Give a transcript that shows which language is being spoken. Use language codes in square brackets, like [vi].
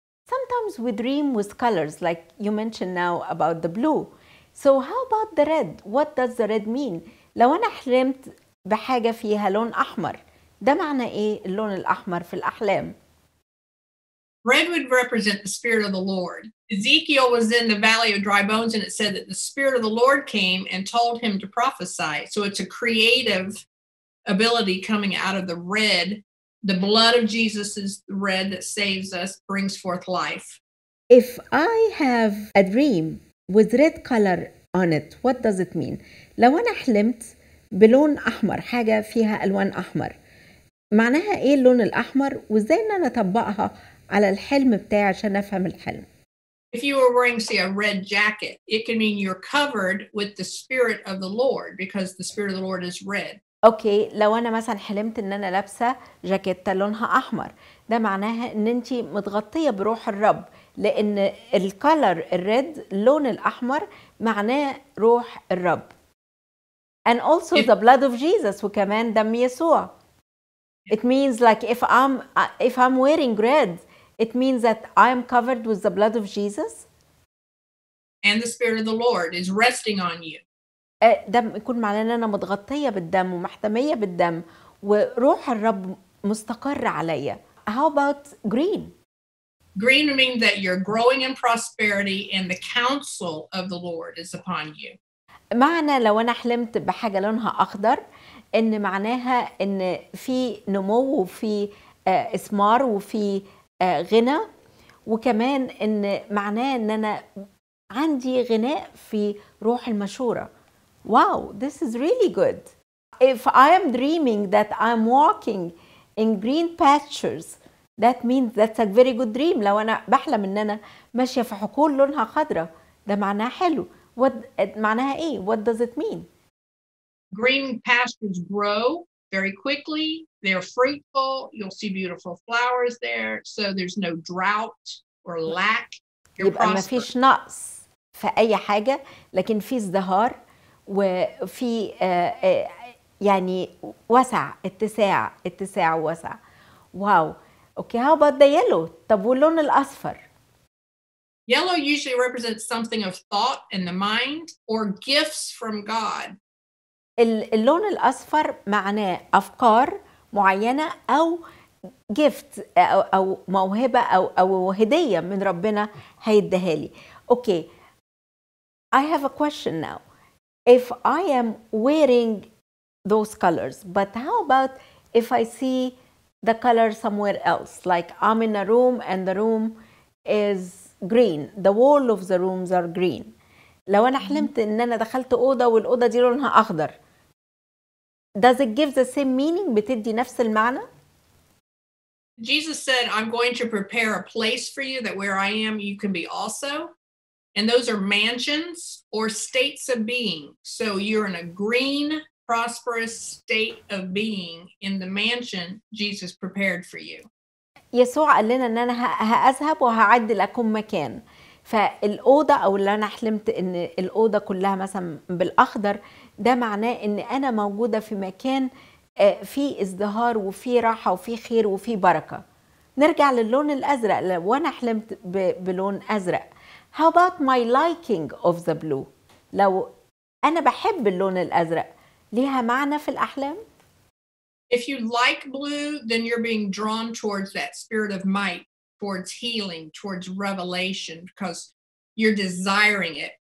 [en] Sometimes we dream with colors like you mentioned now about the blue. So how about the red? What does the red mean? [ar] لو أنا حلمت بحاجة فيها لون أحمر، ده معنى إيه اللون الأحمر في الأحلام؟ [en] Red would represent the Spirit of the Lord. Ezekiel was in the Valley of Dry Bones and it said that the Spirit of the Lord came and told him to prophesy. So it's a creative ability coming out of the red. The blood of Jesus is the red that saves us, brings forth life. If I have a dream with red color on it, what does it mean? [ar] لو أنا حلمت بلون أحمر، حاجة فيها ألوان أحمر، معناها إيه اللون الأحمر وإزاي أنا نطبقها على الحلم بتاعي عشان أفهم الحلم؟ [en] If you were wearing, say, a red jacket, it can mean you're covered with the Spirit of the Lord because the Spirit of the Lord is red. [ar] Okay, لو أنا مثلا حلمت أن أنا لابسة جاكيتة لونها أحمر، ده معناها أن أنت متغطية بروح الرب، لأن [en] الكالر الريد، [ar] اللون الأحمر، معناه روح الرب. [en] And also the blood of Jesus, [ar] وكمان دم يسوع. [en] It means like if I'm wearing red, it means that I'm covered with the blood of Jesus. And the Spirit of the Lord is resting on you. [ar] دم يكون معناه أنا متغطية بالدم ومحتمية بالدم وروح الرب مستقر عليا. [en] How about green? Green means that you're growing in prosperity and the counsel of the Lord is upon you. [ar] معنى لو أنا حلمت بحاجة لونها أخضر إن معناها إن في نمو وفي إثمار وفي غنى وكمان إن معناه إن أنا عندي غناء في روح المشورة. [en] Wow, this is really good. If I am dreaming that I'm walking in green pastures, that means that's a very good dream. [ar] لو أنا بحلم إن أنا ماشية في حقول لونها خضرة، ده معناه حلو. [en] What [ar] معناها إيه؟ [en] What does it mean? Green pastures grow very quickly. They're fruitful. You'll see beautiful flowers there. So there's no drought or lack. You're prosperous. [ar] يبقى ما فيش نقص في أي حاجة، لكن في ازدهار وفي يعني وسع، اتساع، اتساع ووسع. واو. [en] Okay, how about the yellow? [ar] طب واللون الأصفر؟ [en] Yellow usually represents something of thought in the mind or gifts from God. [ar] اللون الأصفر معناه أفكار معينة أو gift أو موهبة أو هدية من ربنا هيديها لي. [en] Okay, I have a question now. If I am wearing those colors, but how about if I see the color somewhere else? Like I'm in a room and the room is green. The wall of the rooms are green. [ar] لو أنا حلمت إن أنا دخلت أوضة والأوضة دي لونها أخضر. [en] Does it give the same meaning? [ar] بتدي نفس المعنى؟ [en] Jesus said, I'm going to prepare a place for you that where I am, you can be also. And those are mansions or states of being. So you're in a green, prosperous state of being in the mansion Jesus prepared for you. [ar] يسوع قال لنا ان انا هاذهب وهعد لكم مكان. فالاوضه او اللي انا حلمت ان الاوضه كلها مثلا بالاخضر، ده معناه ان انا موجوده في مكان فيه ازدهار وفي راحه وفي خير وفي بركه. نرجع للون الازرق، وانا حلمت بلون ازرق. [en] How about my liking of the blue? [ar] لو انا بحب اللون الازرق، ليها معنى في الاحلام؟ [en] If you like blue, then you're being drawn towards that spirit of might, towards healing, towards revelation, because you're desiring it.